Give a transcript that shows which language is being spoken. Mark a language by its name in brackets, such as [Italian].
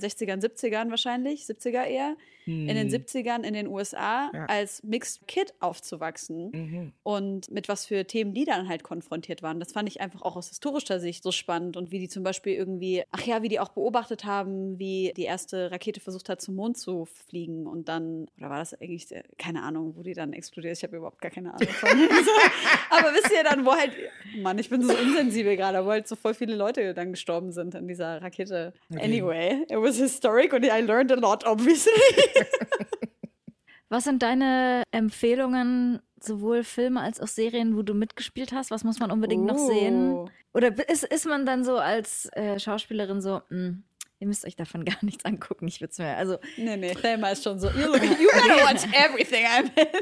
[German] 60ern, 70ern wahrscheinlich, 70er eher. In den 70ern in den USA als Mixed Kid aufzuwachsen und mit was für Themen die dann halt konfrontiert waren. Das fand ich einfach auch aus historischer Sicht so spannend und wie die zum Beispiel irgendwie, wie die auch beobachtet haben, wie die erste Rakete versucht hat, zum Mond zu fliegen und dann, oder war das eigentlich, keine Ahnung, wo die dann explodiert, ich habe überhaupt gar keine Ahnung von. So, aber wisst ihr dann, wo halt, Mann, ich bin so unsensibel gerade, wo halt so voll viele Leute dann gestorben sind in dieser Rakete. Okay. [English] Anyway, it was historic and I learned a lot, obviously. [German] Was sind deine Empfehlungen, sowohl Filme als auch Serien, wo du mitgespielt hast? Was muss man unbedingt noch sehen? Oder ist man dann so als Schauspielerin so, ihr müsst euch davon gar nichts angucken, ich würde es mir, also. Nee, Thelma ist schon so, [English] you gotta watch everything I'm in.